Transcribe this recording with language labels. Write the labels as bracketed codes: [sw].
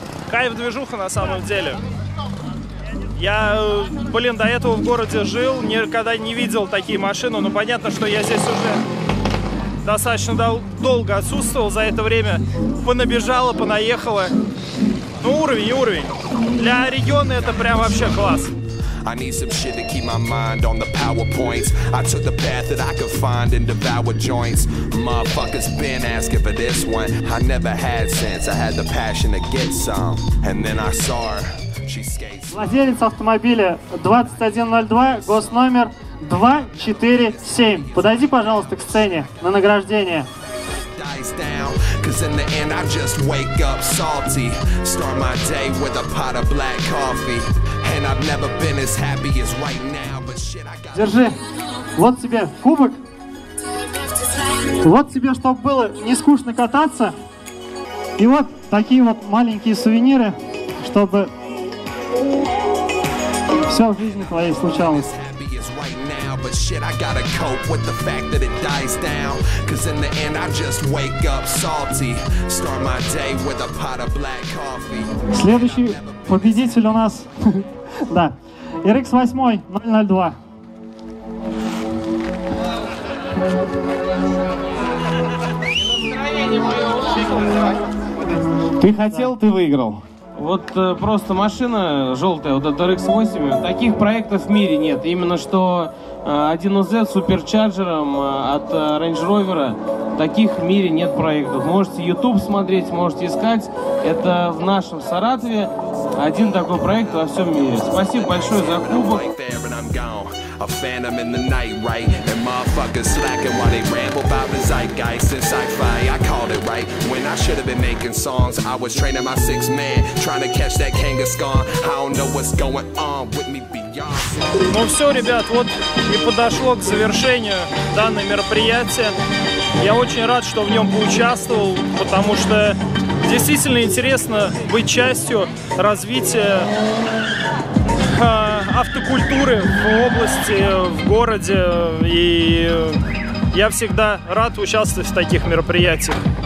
[ru] Кайф движуха на самом деле. Я, блин, до этого в городе жил, никогда не видел такие машины, но понятно, что я здесь уже достаточно долго отсутствовал, за это время понабежало, понаехало. Ну, уровень. Для региона это прям вообще класс. [en] I need some shit to keep my mind on the PowerPoints. I took the path that I could find and devoured joints. Motherfuckers been asking for this one. I never had sense, I had the passion to get some. And then I saw her, she skates. [ru] Владелец автомобиля 2102, госномер 247. Подойди, пожалуйста, к сцене на награждение. [en] Down, 'cause in the end I just wake up salty. Start my day with a pot of black coffee. And I've never been as happy as right now, but shit, I got. [ru] Держи, вот тебе кубок. Вот тебе, чтоб было не скучно кататься. И вот такие вот маленькие сувениры, чтобы все в жизни твоей случалось. [en] But shit, I gotta cope with the fact that it dies down. 'Cause in the end, I just wake up salty. Start my day with a pot of black coffee. [ru] Следующий победитель у нас, да, RX 8 002. Ты хотел, ты выиграл. Вот просто машина желтая, вот эта RX 8. Таких проектов в мире нет. Именно что 1UZ с суперчарджером от Range Rover, таких в мире нет проектов. Можете YouTube смотреть, можете искать. Это в нашем Саратове один такой проект во всем мире. Спасибо большое за кубок. [en] A phantom in the night, right? And motherfuckers slacking while they ramble about the zeitgeist. Since I fly, I called it right. When I should have been making songs, I was training my six man, trying to catch that Kangaskhan. I don't know what's going on with me beyond. [ru] Ну все, ребят, вот и подошло к завершению данное мероприятие. Я очень рад, что в нем поучаствовал, потому что действительно интересно быть частью развития автокультуры в области, в городе, и я всегда рад участвовать в таких мероприятиях.